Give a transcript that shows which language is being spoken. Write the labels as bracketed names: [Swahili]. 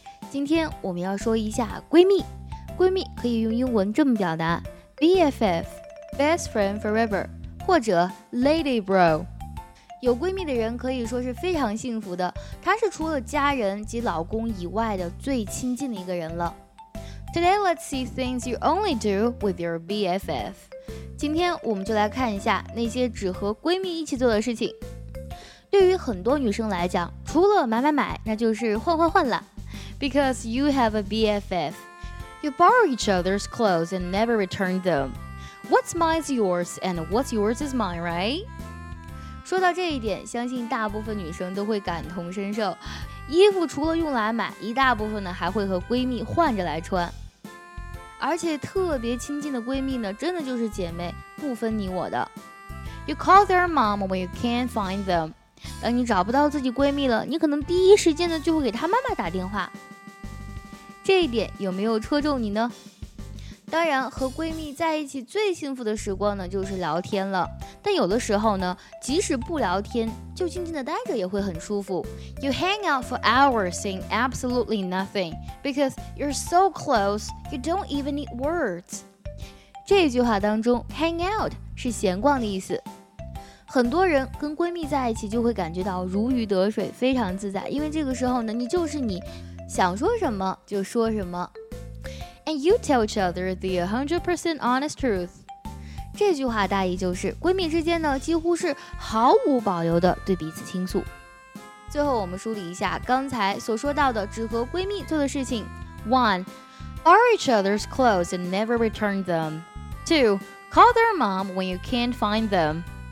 [Chinese] 今天我们要说一下闺蜜。闺蜜可以用英文这么表达 ：BFF, [English] best friend forever, [Chinese] 或者 lady bro。有闺蜜的人可以说是非常幸福的，她是除了家人及老公以外的最亲近的一个人了。 [English] Today, let's see things you only do with your BFF。 [Chinese] 今天我们就来看一下那些只和闺蜜一起做的事情。对于很多女生来讲，除了买买买，那就是换换换了。 [English] Because you have a BFF, you borrow each other's clothes and never return them. What's mine is yours, and what's yours is mine, right? [Chinese] 说到这一点，相信大部分女生都会感同身受。衣服除了用来买，一大部分呢还会和闺蜜换着来穿。而且特别亲近的闺蜜呢，真的就是姐妹，不分你我的。 [English] You call their mom when you can't find them. [Chinese] 当你找不到自己闺蜜了，你可能第一时间呢就会给她妈妈打电话。这一点有没有戳中你呢？当然，和闺蜜在一起最幸福的时光呢就是聊天了。但有的时候呢，即使不聊天，就静静的待着也会很舒服。 [English] You hang out for hours saying absolutely nothing because you're so close, you don't even need words. [Chinese] 这句话当中 ，hang out 是闲逛的意思。很多人跟闺蜜在一起就会感觉到如鱼得水，非常自在，因为这个时候呢，你就是你，想说什么就说什么。 [English] And you tell each other the 100% honest truth. [Chinese] 这句话大意就是，闺蜜之间呢，几乎是毫无保留地对彼此倾诉。最后我们梳理一下刚才所说到的只和闺蜜做的事情。 1. [English] Borrow each other's clothes and never return them. 2. Call their mom when you can't find them.